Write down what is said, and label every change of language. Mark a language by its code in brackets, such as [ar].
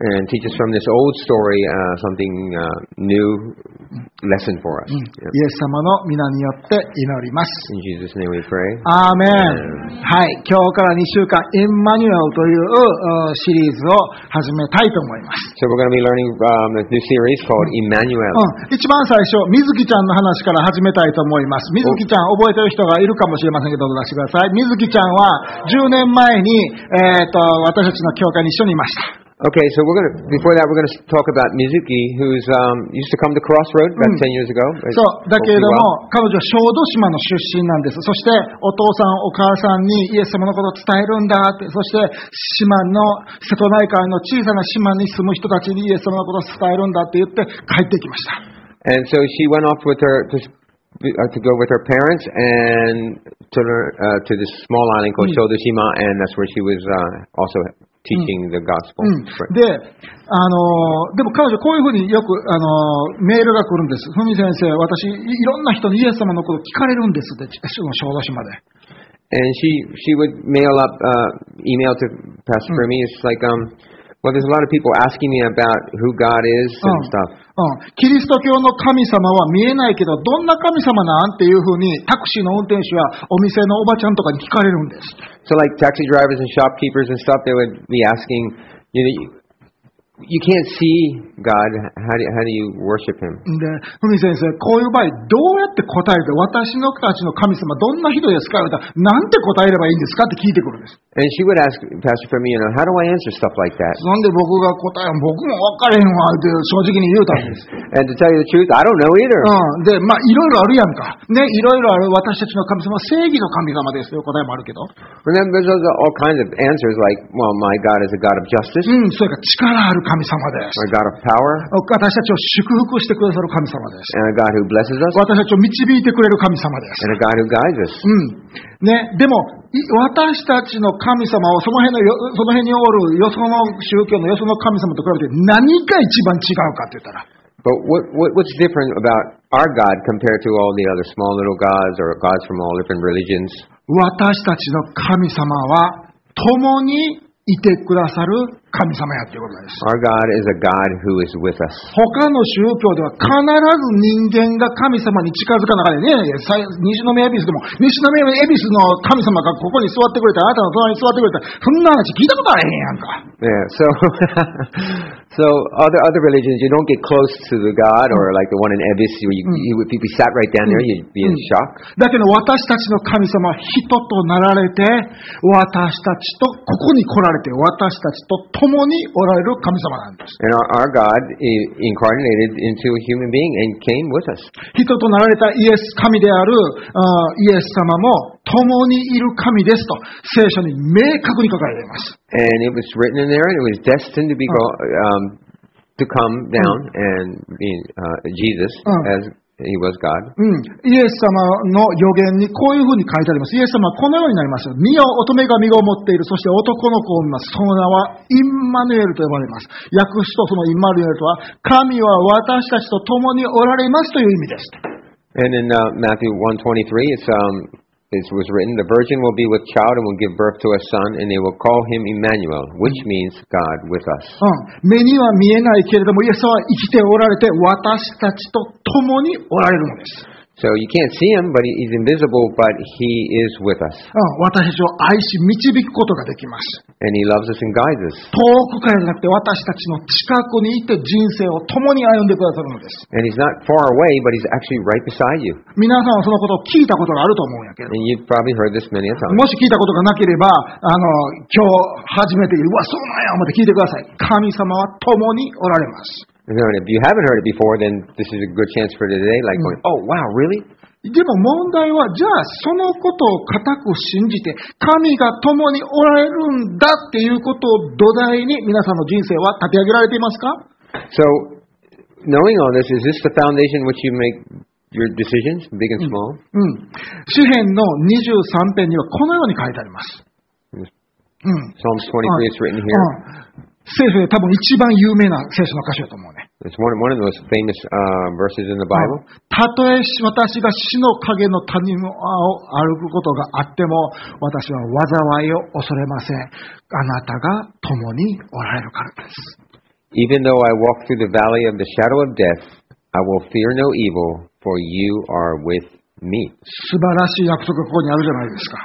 [en] And teach us from this old story something new lesson for us. [ja] イエス様の御名によって祈ります。 [en] In Jesus' name we pray. Amen. [ja] はい、今日から2週間、エンマニュエルというシリーズを始めたいと思います。 [en] So we're going to be learning a new series called Emmanuel. [ja] 一番最初、水木ちゃんの話から始めたいと思います。水木ちゃん、覚えてる人がいるかもしれませんけど、どうぞ出してください。水木ちゃんは10年前に、私たちの教会に一緒にいました。 [en] Okay, so we're gonna, before that, we're gonna talk about Mizuki, who's, used to come to Crossroad about 10 years ago. [ja] そう、だけれども、彼女は小豆島の出身なんです。そして、お父さん、お母さんにイエス様のことを伝えるんだって、そして、島の、瀬戸内海の小さな島に住む人たちにイエス様のことを伝えるんだって言って帰ってきました。 [en] And so she went off with her, to go with her parents and to, to this small island called 小豆島, and that's where she was, also,Teaching the gospel. [ja] で、でも彼女こういうふうによく、メールが来るんです。ふみ先生、私いろんな人にイエス様のことを聞かれるんですって、その小豆島で。 [en] And she would mail up email to Pastor Fermi. It's like well, there's a lot of people asking me about who God is and stuff. [ja] キリスト教の神様は見えないけどどんな神様なんていうふうにタクシーの運転手はお店のおばちゃんとかに聞かれるんです。 [en] So like taxi drivers and shopkeepers and stuff, they would be asking, you know, you can't see God. How do you worship Him? [ja] で、ふみ先生、こういう場合どうやって答えて、私のたちの神様どんな人ですかって、なんて答えればいいんですかって聞いてくるんです。 [en] And she would ask Pastor Fermi, you know, how do I answer stuff like that? [ja] なんで僕が答えん、僕も分かれへんわって正直に言うたんです。 [en] And to tell you the truth, I don't know either. [ja] で、まあいろいろあるやんか。ね、いろいろある私たちの神様、正義の神様ですよ答えもあるけど。 [en] And then there's all kinds of answers like, well, my God is a God of justice. [ja] それか力ある神様です。 [en] My God of power. [ja] 私たちを祝福してくださる神様です。 [en] And a God who blesses us. [ja] 私たちを導いてくれる神様です。 [en] And a God who guides us. [ja] ね、でも私たちの神様をその辺のその辺におるよその宗教のよその神様と比べて何が一番違うかって言ったら、 [en] But what's different about our God compared to all the other small little gods or gods from all different religions? [ja] 私たちの神様は共にいてくださる神様やということです。 [en] Our God is a God who is with us. [ja] 他の宗教では必ず人間が神様に近づかなかったね。西の宮エビスでも、西の宮エビスの神様がここに座ってくれた、あなたの隣に座ってくれた、そんな話聞いたことあれへんやんか。 [en] Yeah, so, so other religions, you don't get close to the God or like the one in Ebis, you'd be sat right down there, you'd be in shock. [ja] だけど私たちの神様は人となられて、私たちとここに来られて、私たちと共におられる神様なんです。 [en] And our God incarnated into a human being and came with us. [ja] 人となられたイエス神であるイエス様も共にいる神ですと聖書に明確に書かれています。 [en] And it was written in there, and it was destined to be called, to come down and be Jesus as He was God. [ja] イエス様の予言にこういうふうに書いてあります。イエス様はこのようになります。身を乙女が身ごもっている。そして男の子を見ます。その名はインマヌエルと呼ばれます。訳すとそのインマヌエルとは神は私たちと共におられますという意味です。 [en] And in Matthew 1:23, it was written, the virgin will be with child and will give birth to a son, and they will call him Emmanuel, which means God with us. [ja] 目には見えないけれども、イエスは生きておられて、私たちと共におられるのです。 [en] So you can't see him, but he's invisible, but he is with us. [ja] 私たちを愛し導くことができます。 [en] And he loves us and guides us. [ja] 遠くからじゃなくて私たちの近くにいて人生を共に歩んでくださるのです。 [en] And he's not far away, but he's actually right beside you. [ja] 皆さんはそのことを聞いたことがあると思うんやけど。 [en] And you've probably heard this many times. [ja] もし聞いたことがなければ、今日初めて言う、うわ、そうなんや、思って聞いてください。神様は共におられます。 [en] If you haven't heard it before, then this is a good chance for today. Like going, oh wow, really? [ja] でも問題はじゃあそのことを固く信じて神が共におられるんだっていうことを土台に皆さんの人生は立て上げられていますか？ [en] So, knowing all this, is this the foundation which you make your decisions, big and small? [ja] 詩編の23編にはこのように書いてあります。 [en] Psalms 23 is written here. [ja] 聖書で多分一番有名な聖書の箇所だと思うね。 [en] One of those famous, verses in the Bible. [ja] たとえ私が死の影の谷を歩くことがあっても、私は災いを恐れません。あなたが共におられるからです。 [en] Even though I walk through the valley of the shadow of death, I will fear no evil, for you are with me. [ja] 素晴らしい約束がここにあるじゃないですか。